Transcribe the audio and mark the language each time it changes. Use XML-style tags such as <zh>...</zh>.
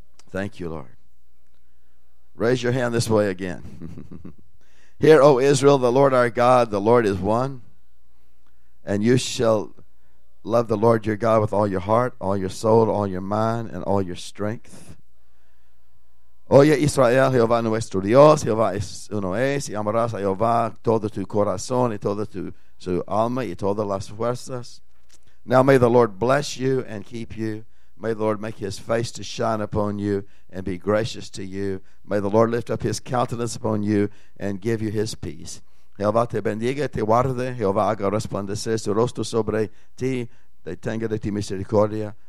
<en>Thank you, Lord. Raise your hand this way again. Hear, O Israel, the Lord our God, the Lord is one, and you shall love the Lord your God with all your heart, all your soul, all your mind, and all your strength.</en> <es>Oye Israel, Jehová nuestro Dios, Jehová es uno es, y amarás a Jehová todo tu corazón y todo tu alma y todas las fuerzas.</es> <en>Now may the Lord bless you and keep you. May the Lord make his face to shine upon you and be gracious to you. May the Lord lift up his countenance upon you and give you his peace.</en> <es>Jehová te bendiga, te guarde. Jehová haga resplandecer su rostro sobre ti, detenga de ti misericordia.</es>